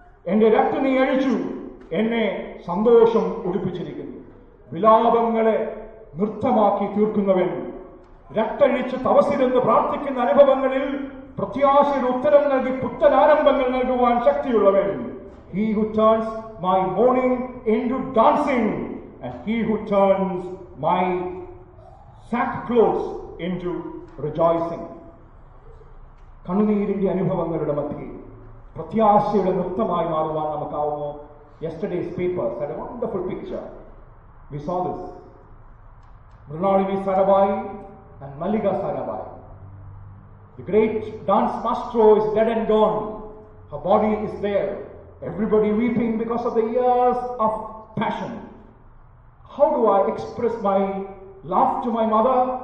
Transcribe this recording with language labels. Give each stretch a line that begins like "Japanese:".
Malayalam: എന്റെ രക്തം നീ അഴിച്ചു, എന്നെ സന്തോഷം ഉടുപ്പിച്ചിരിക്കുന്നു. വിലാപങ്ങളെ നൃത്തമാക്കി തീർക്കുന്നവൻ രക്തഴിച്ച് തപസ്സിരുന്ന് പ്രാർത്ഥിക്കുന്ന അനുഭവങ്ങളിൽ പ്രത്യാശയുടെ ഉത്തരം നൽകി പുത്തനാരംഭങ്ങൾ നൽകുവാൻ ശക്തിയുള്ളവൻ.
English: He who turns my mourning into dancing and he who turns my sackcloth into rejoicing.
Malayalam: കണ്ണുനീരിന്റെ അനുഭവങ്ങളുടെ മധ്യയിൽ പ്രത്യാശയുടെ നൃത്തമായി മാറുവാൻ നമുക്കാവുമോ?
English: Yesterday's papers had a wonderful picture. We saw this. Mrinalini Sarabhai and Mallika Sarabhai. The great dance maestro is dead and gone. Her body is there. Everybody weeping because of the years of passion. How do I express my love to my mother?